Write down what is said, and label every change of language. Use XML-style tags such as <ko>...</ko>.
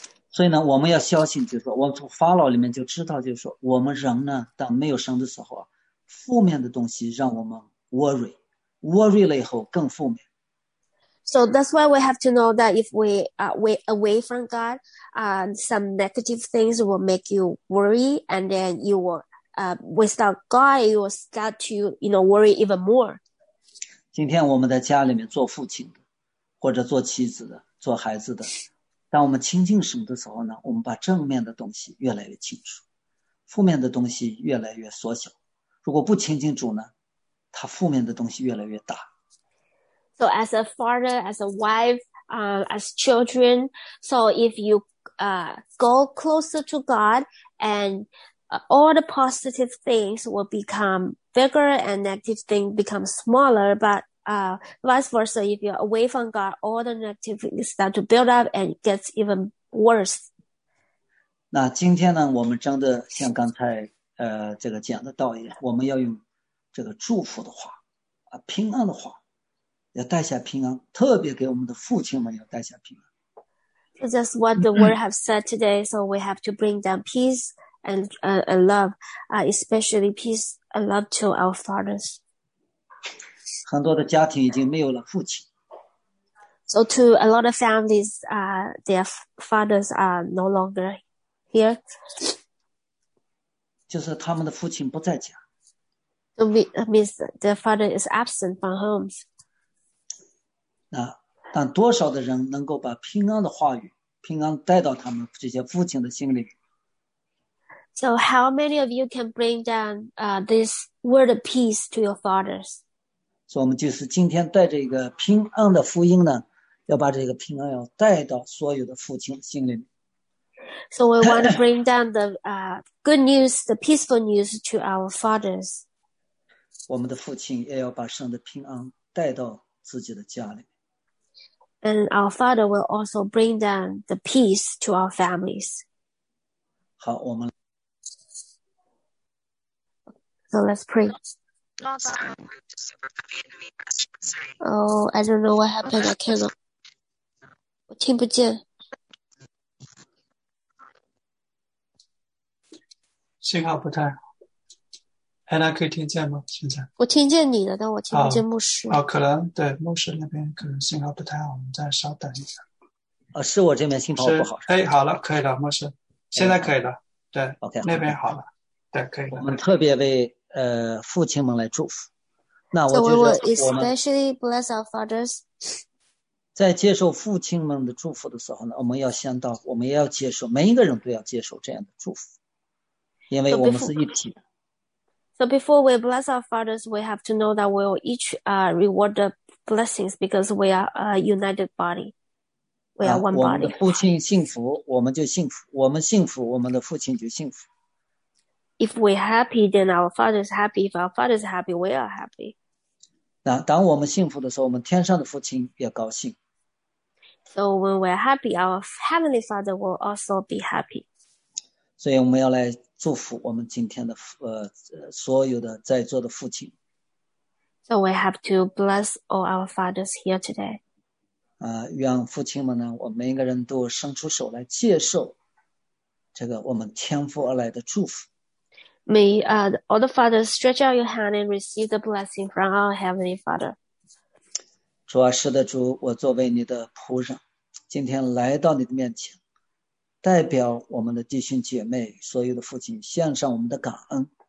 <zh>所以呢，我们要相信，就是说，我们从法老里面就知道，就是说，我们人呢，当没有神的时候啊，负面的东西让我们 worry 了以后更负面。</zh> <en>So that's why we have to know that if we away from God, some negative things will make you worry, and then you will without God, you will start to worry even more.</en> <zh>今天我们在家里面做父亲的，或者做妻子的，做孩子的。当我们亲近神的时候呢，我们把正面的东西越来越清楚，负面的东西越来越缩小。如果不亲近主呢，他负面的东西越来越大。</zh> <en>So as a father, as a wife, as children, so if you go closer to God, and all the positive things will become bigger, and negative things become smaller, but vice versa, if you're away from God, all the negative things start to build up and gets even worse.</en> <zh>那今天呢，我们真的像刚才这个讲的道理，我们要用这个祝福的话啊，平安的话，要带下平安，特别给我们的父亲们要带下平安。</zh> <en>That's what the word have said today. So we have to bring down peace and love, especially peace and love to our fathers.</en> <zh>很多的家庭已经没有了父亲。</zh> <en>So to a lot of families, their fathers are no longer here.</en> <zh>就是他们的父亲不在家。</zh> <en>So it means their father is absent from homes.</en> <zh>那但多少的人能够把平安的话语、平安带到他们这些父亲的心里？</zh> <en>So how many of you can bring down this word of peace to your fathers?</en> <zh>所以我们就是今天带着一个平安的福音呢，要把这个平安要带到所有的父亲心里面。</zh> <en>So we want to bring down the good news, the peaceful news to our fathers.</en> <zh>我们的父亲也要把神的平安带到自己的家里。</zh> <en>And our father will also bring down the peace to our families.</en> <zh>好，我们。</zh> <en>So let's pray. Oh, I don't know what happened. I cannot.</en> <zh>我听不见。信号不太好。Anna 可以听见吗？现在？我听见你了，但我听不见牧师。哦，可能对牧师那边可能信号不太好，我们再稍等一下。是我这边信号不好。哎，好了，可以了，牧师，现在可以了。对，OK，那边好了，对，可以了。我们特别为。父亲们来祝福。那我觉得我们</zh> <en>so we will especially bless our fathers.</en> <zh>在接受父亲们的祝福的时候呢，我们要想到，我们也要接受，每一个人都要接受这样的祝福，因为我们是一体的。</zh> <en>So So before we bless our fathers, we have to know that we'll each reward the blessings because we are a united body. We are one body.</en> <zh>父亲幸福，我们就幸福。我们幸福，我们的父亲就幸福。</zh> <en>If we're happy, then our father is happy. If our father is happy, we are happy.</en> <zh>当我们幸福的时候，我们天上的父亲也高兴。</zh> <en>So when we're happy, our heavenly father will also be happy.</en> <zh>所以我们要来祝福我们今天的所有的在座的父亲。</zh> <en>So we have to bless all our fathers here today.</en> <zh>愿父亲们呢，我们每个人都伸出手来接受这个我们天父而来的祝福。</zh> <en>May all the fathers stretch out your hand and receive the blessing from our heavenly father.</en> <zh>主啊，是的，主，我作为你的仆人，今天来到你的面前。代表我们的弟兄姐妹，所有的父亲，献上我们的感恩。</zh>